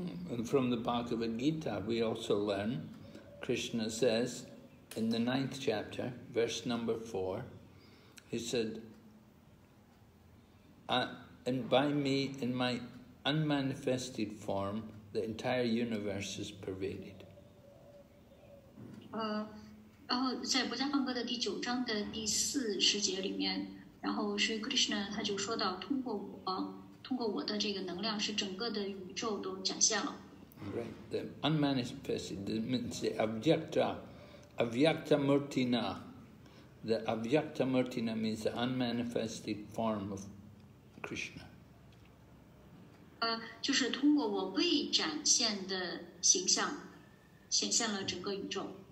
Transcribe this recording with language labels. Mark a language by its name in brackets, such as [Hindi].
[English] And from the Bhagavad Gita, we also learn, Krishna says, in the ninth chapter, verse number 4, he said, and by me, in my unmanifested form, the entire universe is pervaded. [Chinese] 然后在《薄伽梵歌》的第九章的第四十节里面，然后 Sri Krishna 他就说到，通过我，通过我的这个能量，是整个的宇宙都展现了。 [English] Right, the unmanifested means the avyakta, avyakta murtina. The avyakta murtina means the unmanifested form of Krishna. [Chinese] 就是通过我未展现的形象，显现了整个宇宙。